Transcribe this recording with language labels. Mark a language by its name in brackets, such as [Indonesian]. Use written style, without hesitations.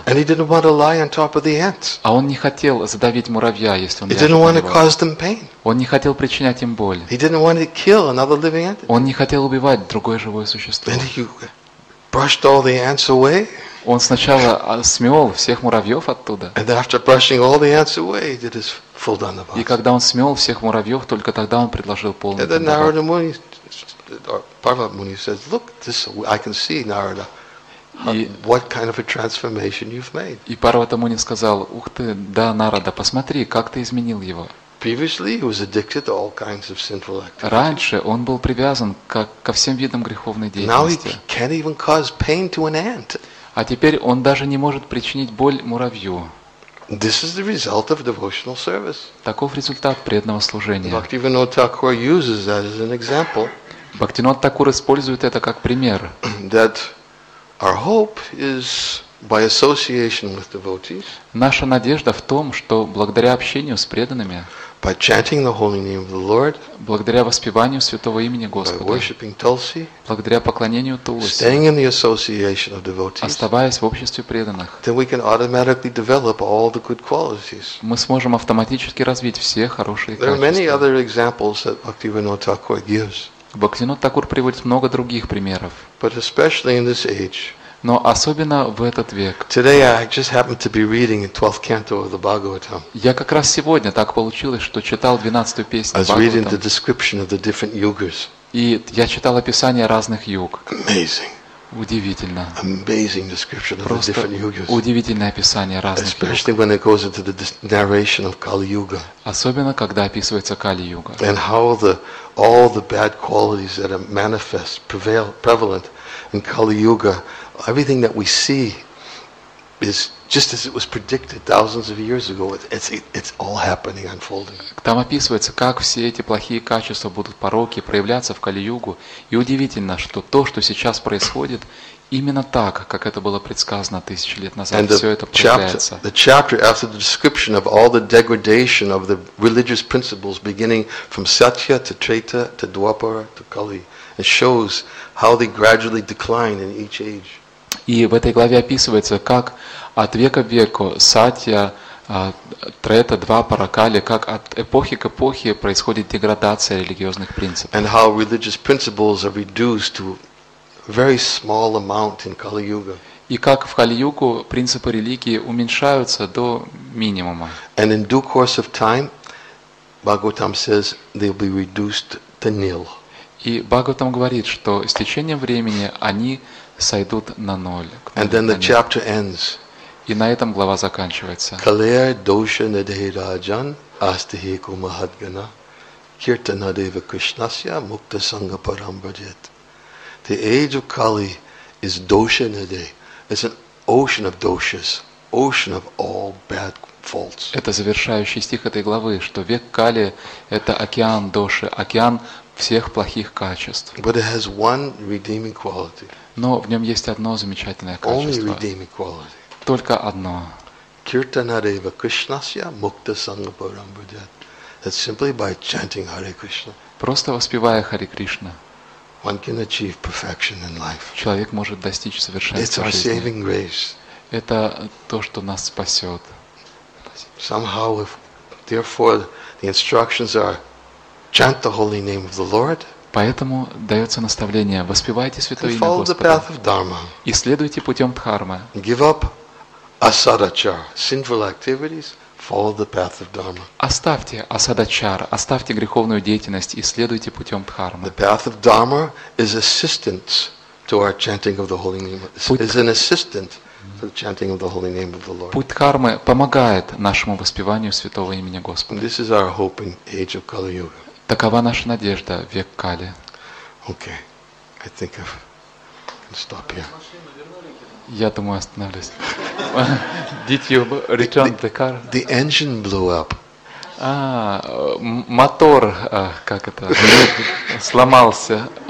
[English] And he didn't want to lie on top of the ants. [Russian] А он не хотел задавить муравья, если он. [English] He didn't want to cause them pain. [Russian] Он не хотел причинять им боль. [English] He didn't want to kill another living ant. [Russian] Он не хотел убивать другое живое существо. [English] And he brushed all the ants away. [Russian] Он сначала смел всех муравьев оттуда. [English] And after brushing all the ants away, he did his full dandabhat. [Russian] И когда он смел всех муравьев, только тогда он предложил полный [English] дандабхат. And then Narada Muni, Parvati Muni says, "Look, this I can see, Narada. What kind of a transformation you've made?" [Russian] И Парвата Муни сказал: "Ух ты, да, Нарада, посмотри, как ты изменил его." [English] Previously, he was addicted to all kinds of sinful activities. [Russian] Раньше он был привязан ко всем видам греховной деятельности. [English] Now he can't even cause pain to an ant. [Russian] А теперь он даже не может причинить боль муравью. [English] This is the result of devotional service. [Russian] Таков результат преданного служения. [English] Bhaktivinoda Thakur uses that as an example. [Russian] Бхактивинод Такур использует это как пример. [English] That our hope is by association with devotees. [Russian] Наша надежда в том, что благодаря общению с преданными. [English] By chanting the holy name of the Lord. [Russian] Благодаря воспеванию святого имени Господа. [English] By worshiping Tulsi. [Russian] Благодаря поклонению Тулси. [English] Staying in the association of devotees. [Russian] Оставаясь в обществе преданных. [English] Then we can automatically develop all the good qualities. [Russian] Мы сможем автоматически развить все хорошие качества. [English] There are many other examples that Bhaktivinoda Thakur gives. [Russian] Бхактивинода Такур приводит много других примеров. [English] But especially in this age. [Russian] Но особенно в этот век. [English] Today I just happened to be reading the 12th canto of the Bhagavatam. [Russian] Я как раз сегодня так получилось, что читал 12-ю песню Бхагаватам. [English] I was reading the description of the different yugas. [Russian] И я читал описание разных юг. [English] Amazing. [Russian] Удивительно. [English] Amazing description of the different yugas. [Russian] Удивительное описание разных. [English] Especially when it goes into the narration of Kali Yuga. [Russian] Особенно когда описывается Кали Юга. [English] And how all the bad qualities that are manifest prevalent in Kali Yuga. Everything that we see is just as it was predicted thousands of years ago. It's all happening, unfolding. [Russian] Там описывается, как все эти плохие качества будут пороки проявляться в Кали-Югу. И удивительно, что то, что сейчас происходит, именно так, как это было предсказано тысячи лет назад, [English] and [Russian] все это проявляется. [English] The chapter after the description of all the degradation of the religious principles beginning from Satya to Treta to Dwapara to Kali. It shows how they gradually decline in each age. [Russian] И в этой главе описывается, как от века в веку Сатья, Трета, Двапара, Кали, как от эпохи к эпохе происходит деградация религиозных принципов. [English] And how religious principles are reduced to a very small amount in Kali Yuga. [Russian] И как в Кали-Югу принципы религии уменьшаются до минимума. [English] And in due course of time, Bhagavatam says they'll be reduced to nil. [Russian] И Бхагаватам говорит, что с течением времени они сойдут на ноль. [English] And then the chapter ends. [Russian] И на этом глава заканчивается. [Sanskrit] Калея доша надхираджан астихику махадгана киртана дева кришнасья мукта санга парам бхаджет. [English] The age of Kali is dosha nade. It's an ocean of doshas, ocean of all bad faults. [Russian] Это завершающий стих этой главы, что век Кали это океан доши, океан всех плохих качеств. [English] But it has one redeeming quality. [Russian] Но в нем есть одно замечательное качество. [English] Only redeeming quality. [Russian] Только одно. [Sanskrit] Kirtanareva Krishnasya Mukta Sangha Param Bhajat. [English] That's simply by chanting Hare Krishna. [Russian] Просто воспевая Харе Кришна. [English] One can achieve perfection in life. [Russian] Человек может достичь совершенства в жизни. [English] It's our saving grace. [Russian] Это то, что нас спасет. [English] Somehow, therefore, the instructions are. Chant the holy name of the Lord. [Russian] Поэтому дается наставление: воспевайте святое имя Господа. [English] Follow the path of Dharma. [Russian] И следуйте путем Дхармы. [English] Give up asadachar, sinful activities. Follow the path of Dharma. [Russian] Оставьте асадачар, оставьте греховную деятельность и следуйте путем Дхармы. [English] The path of Dharma is assistance to our chanting of the holy name. Is an assistant to the chanting of the holy name of the Lord. [Russian] Путь Дхармы помогает нашему воспеванию святого имени Господа. [English] This is our hope in age of Kali Yuga. [Russian] Такова наша надежда, век Кали. [English] Okay, I think I can stop here. [Russian] Я думаю, остановлюсь. [English] Did you return the car? The engine blew up. [Russian] А, мотор, как это, сломался.